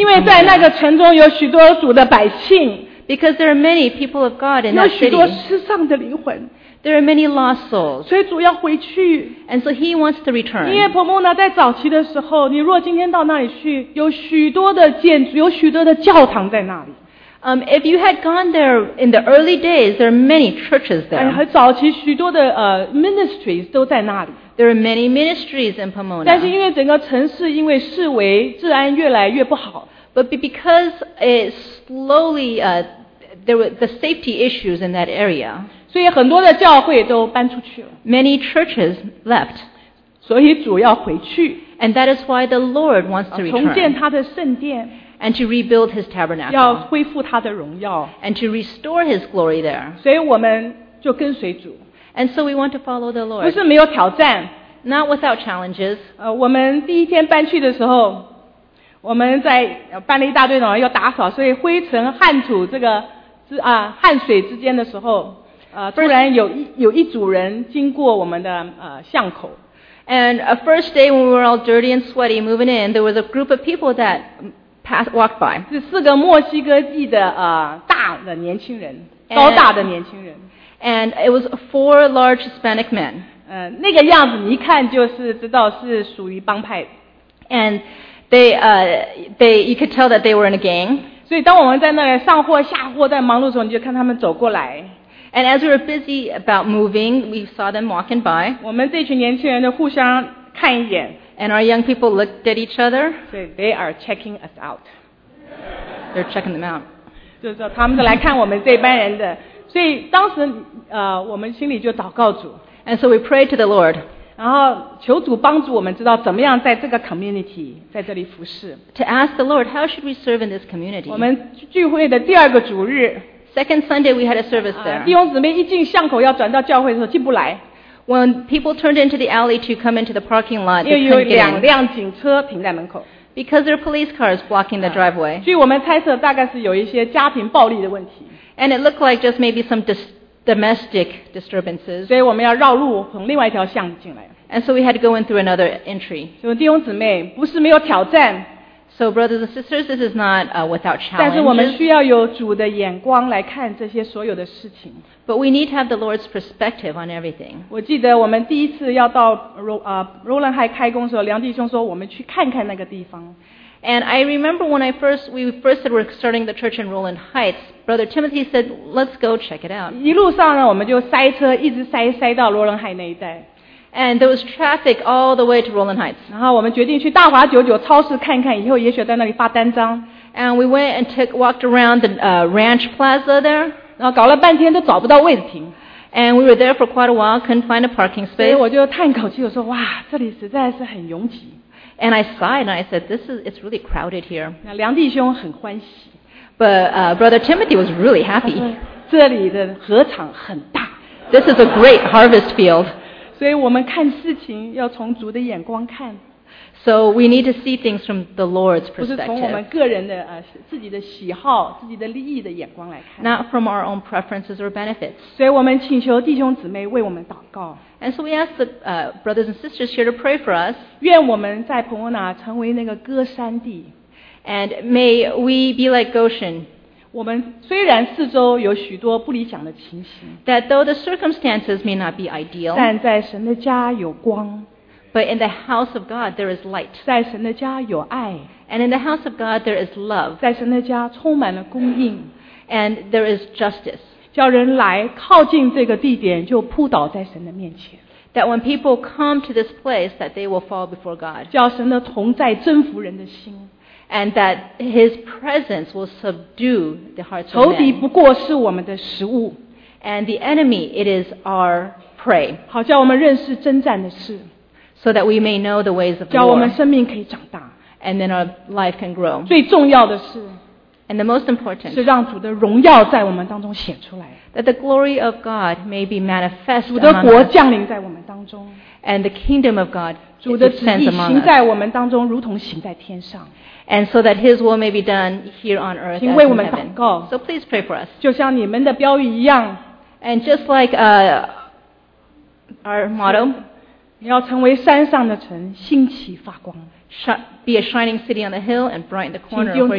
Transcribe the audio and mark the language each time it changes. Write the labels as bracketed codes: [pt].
[zh] Pomona. 因为在那个城中有许多主的百姓。 [en] Because there are many people of God in that city. [zh] 有许多失丧的灵魂。 [en] There are many lost souls. [zh] 所以主要回去。 [en] And so he wants to return. [zh] 因为 Pomona 在早期的时候，你若今天到那里去，有许多的建筑，有许多的教堂在那里。 [en] If you had gone there in the early days, there are many churches there. [zh] 很早期许多的ministries 都在那里。 [en] There are many ministries in Pomona. [zh] 但是因为整个城市因为视为治安越来越不好。 [en] But because it slowly, there were the safety issues in that area. [zh] 所以很多的教会都搬出去了。 [en] Many churches left. [zh] 所以主要回去。 [en] And that is why the Lord wants to return. [zh] 重建他的圣殿。 [en] And to rebuild his tabernacle. [zh] 要恢复他的荣耀。 [en] And to restore his glory there. [zh] 所以我们就跟随主。 [en] And so we want to follow the Lord. [zh] 不是没有挑战。 [en] Not without challenges. [zh] 我们第一天搬去的时候，我们在搬了一大堆东西要打扫，所以灰尘汗土这个汗水之间的时候，突然有一组人经过我们的巷口。 [en] And a first day when we were all dirty and sweaty moving in, there was a group of people that walked by. [zh] 是四个墨西哥裔的大的年轻人，高大的年轻人。 [en] And it was four large Hispanic men. [zh] 那个样子你一看就是知道是属于帮派。 [en] And they you could tell that they were in a gang. [zh] 所以当我们在那里上货下货在忙碌的时候，你就看他们走过来。 [en] And as we were busy about moving, we saw them walking by. [zh] 我们这群年轻人就互相看一眼。 [en] And our young people looked at each other. [zh] 所以 [en] they are checking us out. They're checking them out. [zh] 就是说他们是来看我们这班人的。所以当时我们心里就祷告主。 [en] And so we prayed to the Lord. [zh] 然后求主帮助我们知道怎么样在这个 community 在这里服事。 [en] To ask the Lord, how should we serve in this community? [zh] 我们聚会的第二个主日。 [en] Second Sunday we had a service there. [zh] 弟兄姊妹一进巷口要转到教会的时候进不来。 [en] When people turned into the alley to come into the parking lot, they couldn't get in. [zh] 因为有两辆警车停在门口。 [en] Because there are police cars blocking the driveway. [zh] 据我们猜测大概是有一些家庭暴力的问题。 [en] And it looked like just maybe some domestic disturbances. [zh] 所以我们要绕路从另外一条巷子进来。 [en] And so we had to go in through another entry. [zh] 所以弟兄姊妹，不是没有挑战。 [en] So brothers and sisters, this is not without challenges. [zh] 但是我们需要有主的眼光来看这些所有的事情。 [en] But we need to have the Lord's perspective on everything. [zh] 我记得我们第一次要到Roland High开工的时候，梁弟兄说我们去看看那个地方。 [en] And I remember when we first said we're starting the church in Roland Heights, Brother Timothy said, let's go check it out. [zh] 一路上呢我们就塞车一直塞到罗伦海那一带。 [en] And there was traffic all the way to Roland Heights. [zh] 然后我们决定去大华九九超市看看以后也许在那里发单张。 [en] And we went and walked around the ranch plaza there. [zh] 然后搞了半天都找不到位置停。 [en] And we were there for quite a while, couldn't find a parking space. [zh] 所以我就叹口气我说哇这里实在是很拥挤。 [en] And I sighed and I said, it's really crowded here. [zh] 梁弟兄很欢喜。 [en] But Brother Timothy was really happy. [zh] 这里的禾场很大。 [en] This is a great harvest field. [zh] 所以我们看事情要从主的眼光看。 [en] So we need to see things from the Lord's perspective. [zh] 不是从我们个人的自己的喜好、自己的利益的眼光来看。 [en] Not from our own preferences or benefits. [zh] 所以我们请求弟兄姊妹为我们祷告。 [en] And so we ask the brothers and sisters here to pray for us. [zh] 愿我们在彭文纳成为那个歌山地。 [en] And may we be like Goshen. [zh] 我们虽然四周有许多不理想的情形。 [en] That though the circumstances may not be ideal. [zh] 但在神的家有光。 [en] But in the house of God, there is light. [zh] 在神的家有爱。 [en] And in the house of God, there is love. [zh] 在神的家充满了供应。 [en] And there is justice. [zh] 叫人来靠近这个地点就扑倒在神的面前。 [en] That when people come to this place, that they will fall before God. [zh] 叫神的同在征服人的心。 [en] And that His presence will subdue the hearts of men. [zh] 仇敌不过是我们的食物。 [en] And the enemy, it is our prey. [zh] 好叫我们认识征战的事。 [en] So that we may know the ways of the [zh] Lord. 叫我们生命可以长大。 [en] And then our life can grow. [zh] 最重要的是。 [en] And the most important. [zh] 是让主的荣耀在我们当中显出来。 [en] That the glory of God may be manifest among us. [zh] 主的国降临在我们当中。 [en] And the kingdom of God is sent among us. [zh] 主的旨意行在我们当中，如同行在天上。 [en] And so that His will may be done here on earth as in heaven. So please pray for us. [zh] 就像你们的标语一样。 [en] And just like our motto, [zh] 你要成为山上的城，兴起发光。 [en] Be a shining city on the hill and brighten the corner where you are.